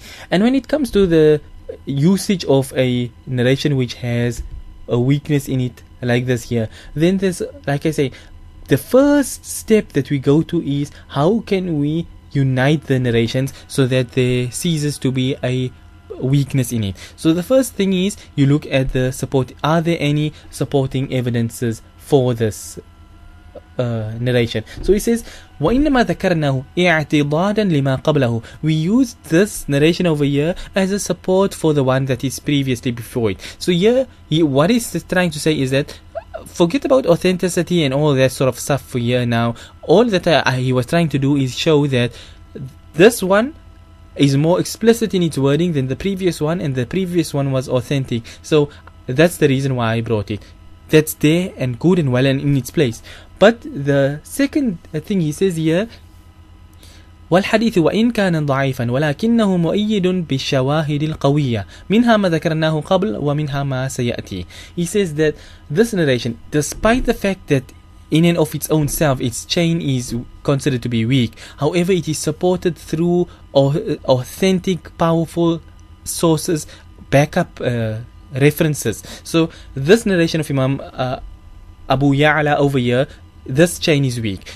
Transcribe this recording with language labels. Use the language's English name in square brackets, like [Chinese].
[English] And when it comes to the usage of a narration which has a weakness in it like this here, then there's, like I say, the first step that we go to is how can we unite the narrations so that there ceases to be a weakness in it. So the first thing is you look at the support, are there any supporting evidences for this narration. So he says, [Arabic] وَإِنَّمَا ذَكَرْنَهُ اِعْتِضَادًا لِمَا قَبْلَهُ. [English] We use this narration over here as a support for the one that is previously before it. So here, what he's trying to say is that forget about authenticity and all that sort of stuff for here now. All that he was trying to do is show that this one is more explicit in its wording than the previous one, and the previous one was authentic. So that's the reason why I brought it. That's there and good and well and in its place. But the second thing he says here, [Arabic] والحديث وإن كان ضعيفا ولكنه مؤيد بالشواهد القوية منها ما ذكرناه قبل ومنها ما سيأتي. [English] He says that this narration, despite the fact that in and of its own self its chain is considered to be weak, however it is supported through authentic, powerful sources, backup references. So this narration of Imam Abu Ya'la over here, this chain is weak.